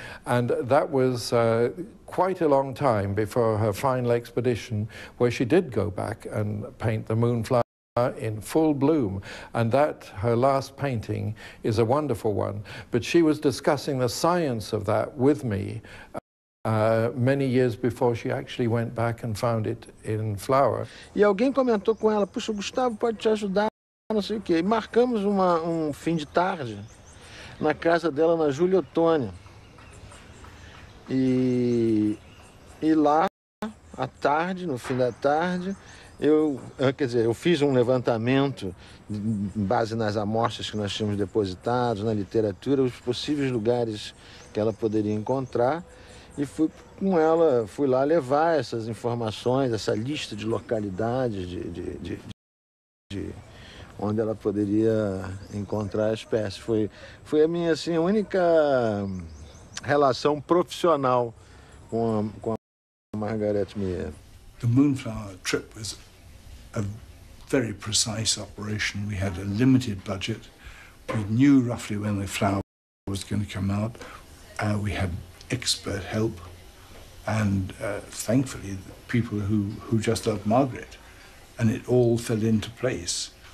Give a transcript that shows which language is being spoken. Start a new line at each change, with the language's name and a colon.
English: And that was quite a long time before her final expedition, where she did go back and paint the moonflower in full bloom. And that, her last painting, is a wonderful one. But she was discussing the science of that with me many years before she actually went back and found it in flower.
Portuguese: E alguém comentou com ela, puxa, o Gustavo pode te ajudar, não sei o quê. E marcamos um fim de tarde na casa dela, na Júlia Ottoni. E lá, à tarde, no fim da tarde, eu fiz um levantamento em base nas amostras que nós tínhamos depositados, na literatura, os possíveis lugares que ela poderia encontrar. E fui com ela, fui lá levar essas informações, essa lista de localidades de onde ela poderia encontrar a espécie. Foi a minha assim, única relação profissional com a Margaret Meyer.
English: The Moonflower trip was a very precise operation. We had a limited budget. We knew roughly when the flower was going to come out. We had expert help, and thankfully the people who just loved Margaret, and it all fell into place.